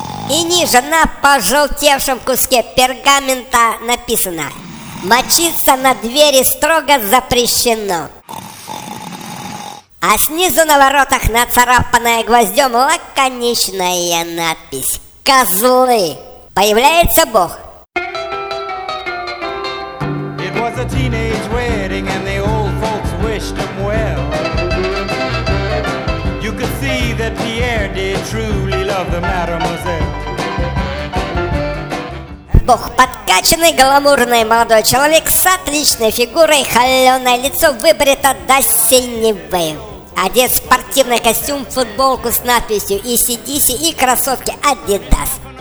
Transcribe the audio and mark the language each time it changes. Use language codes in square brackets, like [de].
[ru] И ниже на пожелтевшем куске пергамента написано: «Мочиться на двери строго запрещено». А снизу на воротах нацарапанная гвоздем лаконичная надпись: «Козлы! Появляется Бог!» [en] It was a teenage wedding and the old folks wished him well. You could see that Pierre did truly love the mademoiselle. [ru] Бог, подкачанный гламурный молодой человек с отличной фигурой, холеное лицо выбрито до синевы. Одет в спортивный костюм, футболку с надписью «ACDC» и кроссовки «Адидас».